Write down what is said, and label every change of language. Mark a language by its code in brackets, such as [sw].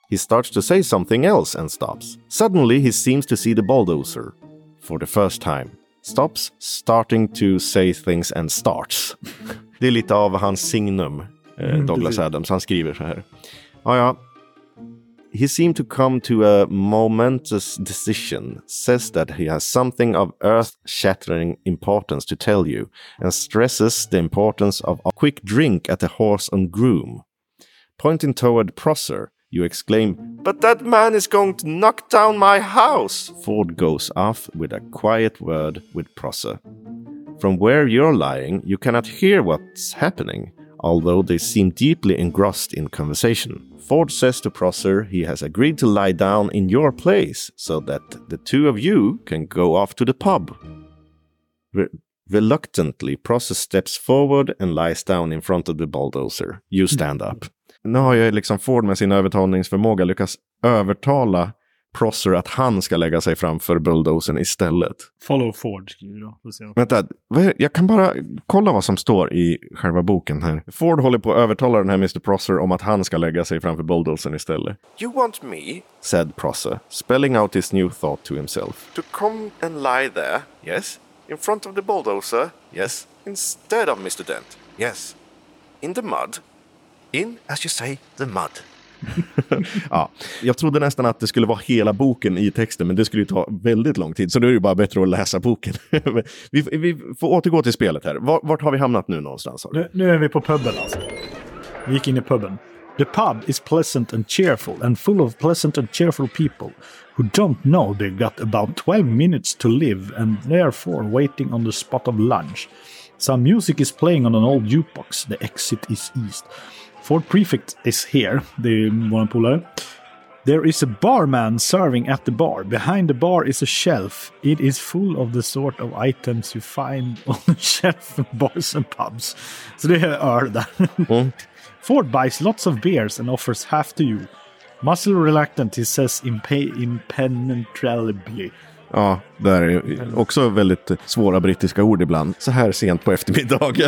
[en] He starts to say something else and stops. Suddenly, he seems to see the bulldozer for the first time. Stops, starting to say things and starts. [sv] Det är lite av hans signum, Douglas Adams. Han skriver så här. Ja. [en] he seemed to come to a momentous decision, says that he has something of earth-shattering importance to tell you, and stresses the importance of a quick drink at the horse and groom. Pointing toward Prosser, you exclaim, "But that man is going to knock down my house!" Ford goes off with a quiet word with Prosser. From where you're lying, you cannot hear what's happening, although they seem deeply engrossed in conversation. Ford says to Prosser he has agreed to lie down in your place so that the two of you can go off to the pub. Reluctantly, Prosser steps forward and lies down in front of the bulldozer. You stand up. [sv] Nu har jag liksom Ford med sin övertalningsförmåga lyckas övertala Prosser att han ska lägga sig framför bulldozen istället. Follow Ford, skriver jag. Vänta, jag kan bara kolla vad som står i själva boken här. Ford håller på att övertala den här Mr. Prosser om att han ska lägga sig framför bulldozen istället. [en] "You want me," said Prosser, spelling out his new thought to himself. "To come and lie there, yes, in front of the bulldozer, yes, instead of Mr. Dent, yes, in the mud. In, as you say, the mud." [sv] Ja, jag trodde nästan att det skulle vara hela boken i texten, men det skulle ju ta väldigt lång tid, så då är det ju bara bättre att läsa boken. Vi får återgå till spelet här. Vart har vi hamnat nu någonstans? Nu är vi på pubben alltså. Vi gick in i pubben. [en] "The pub is pleasant and cheerful and full of pleasant and cheerful people who don't know they've got about 12 minutes to live and therefore waiting on the spot of lunch. Some music is playing on an old jukebox. The exit is east. Ford Prefect is here," the one puller. "There is a barman serving at the bar. Behind the bar is a shelf. It is full of the sort of items you find on the shelf in bars and pubs." [sv] Så det är öl där. [en] "Ford buys lots of beers and offers half to you. Muscle reluctant, he says impenetrably." [sv] Ja, det är också väldigt svåra brittiska ord ibland. Så här sent på eftermiddagen.